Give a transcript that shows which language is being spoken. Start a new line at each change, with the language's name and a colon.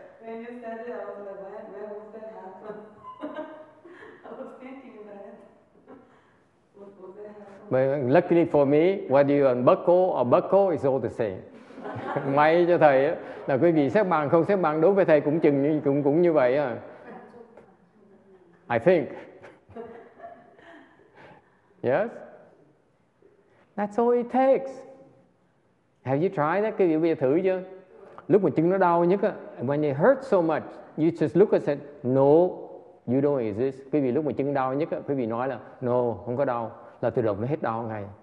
English: When you said it, I was like, where would that happen? I was thinking that. What would that happen? But luckily for me, whether you unbuckle or buckle, it's all the same.
Vietnamese: May cho thầy là quý vị xếp bằng không xếp bằng, đối với thầy cũng như vậy.
English: I think. Yes? That's all it takes. Have you tried that?
Vietnamese: Quý vị bây giờ thử chưa? Lúc mà chân nó đau nhất á,
English: when it hurts so much, you just look and say, no, you don't exist.
Vietnamese: Quý vị lúc mà chân đau nhất á, quý vị nói là, no, không có đau. Là tự động nó hết đau ngay.